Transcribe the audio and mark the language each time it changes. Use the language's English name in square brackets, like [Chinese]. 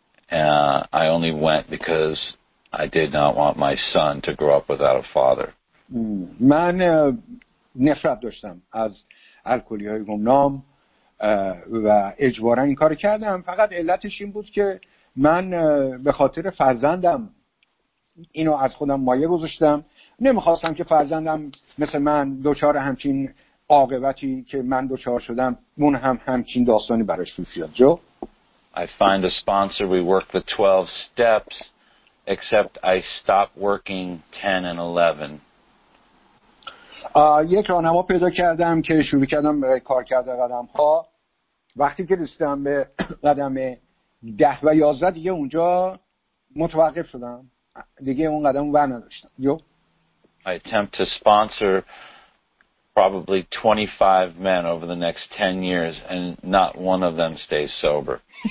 [English] I only went because I did not want my son to grow up without a father. [Persian] من نفرت داشتم از الکلی‌های گمنام و اجباراً این کارو کردم. فقط علتش این بود که من به خاطر فرزندم اینو از خودم مایه گذاشتم. نمی‌خواستم که فرزندم مثل من دچار همچین عاقبتی که من دچار شدم، اون هم همچین داستانی براش بیفته. جو [English] I find a sponsor. We work the 12 steps. Except I stopped working 10 and 11. [Persian] یک راهنما پیدا کردم که شروع کردم به کار کردن قدم‌ها. وقتی که رسیدم به قدم 10 و 11 دیگه اونجا متوقف شدم. دیگه اون قدم رو برنداشتم. جو [English] I attempt to sponsor probably 25 men over the next 10 years and not one of them stays sober.